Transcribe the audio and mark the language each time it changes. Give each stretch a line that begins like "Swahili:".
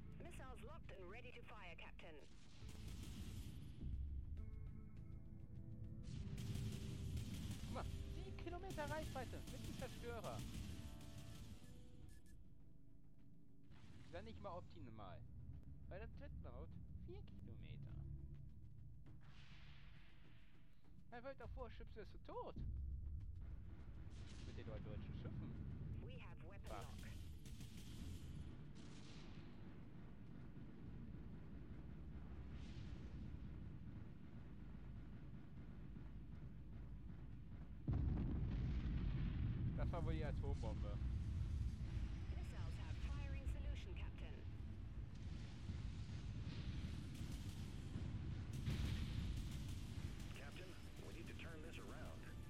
English: Missiles locked and ready to fire, Captain.
German: Guck mal, 7 Kilometer Reichweite mit dem Zerstörer. Ist ja nicht mal optimal. Bei der Dreadnought 4 Kilometer. Er wollte doch vor, Schips ist tot. Mit den deutschen Schiffen.
English: We have weapon lock.
German: Das war wohl die Atombombe.
English: Missiles have firing solution, Captain. Captain, we need to turn this around.